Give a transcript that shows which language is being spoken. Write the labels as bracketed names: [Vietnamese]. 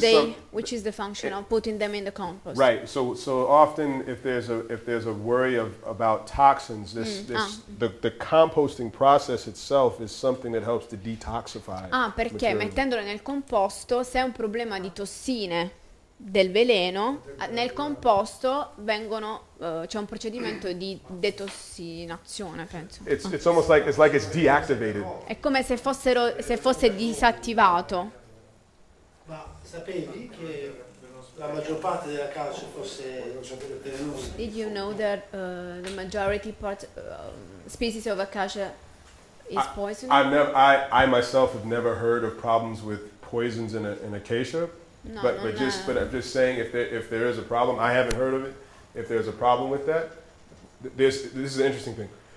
[English] they, some, which is the function of putting them in the compost. Right. So often if there's a worry of about toxins, the composting process itself is something that helps to detoxify. [Italian] Ah, perché [English] material. [Italian] Mettendolo nel composto, se è un problema di tossine del veleno, nel composto vengono c'è un procedimento di detossinazione, penso. [English] It's almost like it's deactivated. [Italian] È come se fosse disattivato. Sapevi che la maggior parte della calce fosse velenosa? [English] Did you know that the majority part species of acacia is poisonous? I myself have never heard of problems with poisons in acacia. No. I'm just saying if there is a problem, I haven't heard of it. If there's a problem with that, this is an interesting thing.